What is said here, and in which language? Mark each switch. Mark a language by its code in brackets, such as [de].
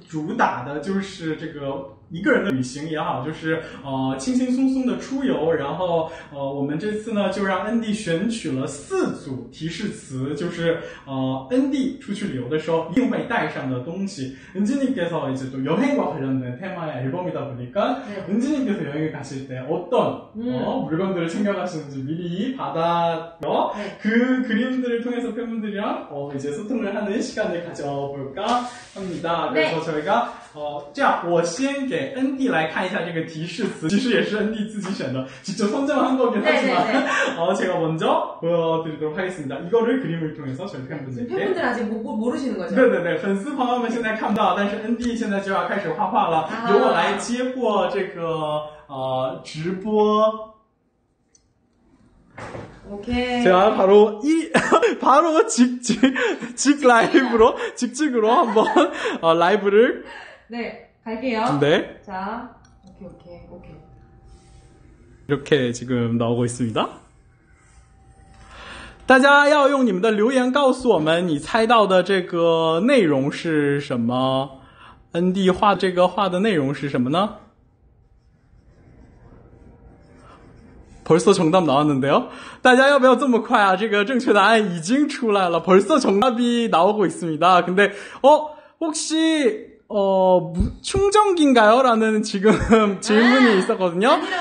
[zh] 大家都知道这次的专辑主打的就是这个 一个人的旅行也好，就是轻轻松松的出游。然后我们这次呢，就让恩迪选取了四组提示词，就是恩迪出去旅游的时候一定会带上的东西。 [ko] 은지님께서 이제 또 여행과 관련된 테마의 앨범이다 보니까 네. 은지님께서 여행을 가실 때 어떤 물건들을 챙겨가시는지 미리 받아요. 네. 그 그림들을 통해서 팬분들이랑 이제 소통을 하는 시간을 가져볼까 합니다. 그래서 네. 저희가 [zh] 这样我先给恩迪来看一下这个提示词，其实也是恩迪自己选的，直接送这么多给他是吧？好， [ko] 제가 먼저 보여드리도록 하겠습니다. 이거를 그림을 통해서 저희 팬분들 팬분들 아직 모르시는거죠？ [zh] 对对对，粉丝朋友们现在看不到，但是恩迪现在就要开始画画了，由我来接过这个直播。OK， [ko] 제가 바로 이 바로 직 라이브로 직직으로 한번 라이브를 네, 갈게요. 네. 자, 오케이. 이렇게 지금 나오고 있습니다. [zh] 大家要用你们的留言告诉我们你猜到的这个内容是什么? ND画这个画的内容是什么呢? [ko] 벌써 정답 나왔는데요? [zh] 大家要不要这么快啊? 这个正确答案已经出来了. [ko] 벌써 정답이 나오고 있습니다. 근데, 혹시, 충전기인가요? 라는 지금 질문이 있었거든요.